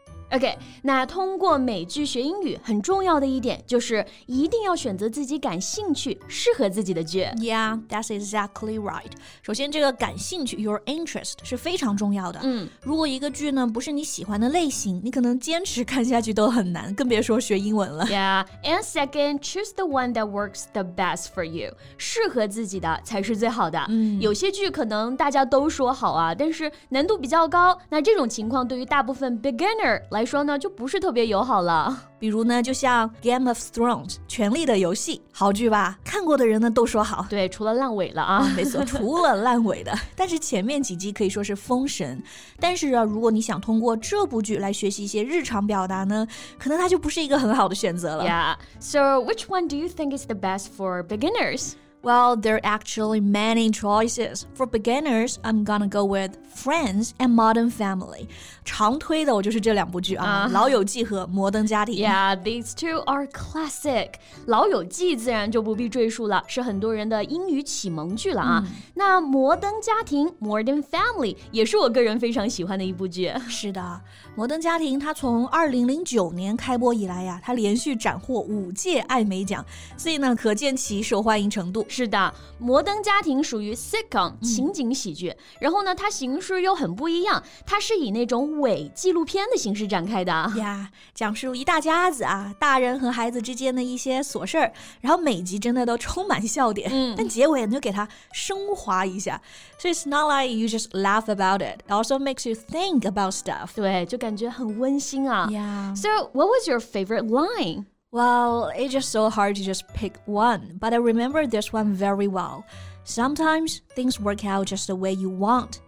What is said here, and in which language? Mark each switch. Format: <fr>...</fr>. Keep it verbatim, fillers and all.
<zh>OK, 那通过美剧学英语很重要的一点就是一定要选择自己感兴趣、适合自己的剧。</zh> <en>Yeah, that's exactly right.</en> <zh>首先这个感兴趣</zh> <en>your interest</en> <zh>是非常重要的。嗯，如果一个剧呢不是你喜欢的类型，你可能坚持看下去都很难，更别说学英文了。</zh> <en>Yeah, and second, choose the one that works the best for you.</en> <zh>适合自己的才是最好的。嗯有些剧可能大家都说好啊，但是难度比较高，那这种情况对于大部分 beginner 来说呢，就不是特别友好了。比如呢，就像 Game of Thrones 权力的游戏，好剧吧？看过的人呢都说好。对，除了烂尾了啊。啊，没错，除了烂尾的，但是前面几集可以说是封神。但是啊，如果你想通过这部剧来学习一些日常表达呢，可能它就不是一个很好的选择了。</zh> <en>Yeah, so which one do you think is the best for beginners? Well, there are actually many choices. For beginners, I'm gonna go with Friends and Modern Family.</en> <zh>常推的我就是这两部剧啊，啊老友记和摩登家庭。</zh> <en>Yeah, these two are classic.</en> <zh>老友记自然就不必赘述了，是很多人的英语启蒙剧了啊。那摩登家庭 Modern Family 也是我个人非常喜欢的一部剧。是的，摩登家庭它从二零零九年开播以来呀，它连续斩获五届艾美奖，所以呢，可见其受欢迎程度。是的，摩登家庭属于 sitcom 情景喜剧，然后呢，它形式又很不一样，它是以那种伪纪录片的形式展开的。呀，讲述一大家子啊，大人和孩子之间的一些琐事儿，然后每集真的都充满笑点，嗯但结尾你就给它升华一下。</zh> <en>So it's not like you just laugh about it. It also makes you think about stuff.</en> <zh>对，就感觉很温馨啊。</zh> <en>Yeah. So, what was your favorite line? Well, it's just so hard to just pick one, but I remember this one very well. Sometimes things work out just the way you want.</en>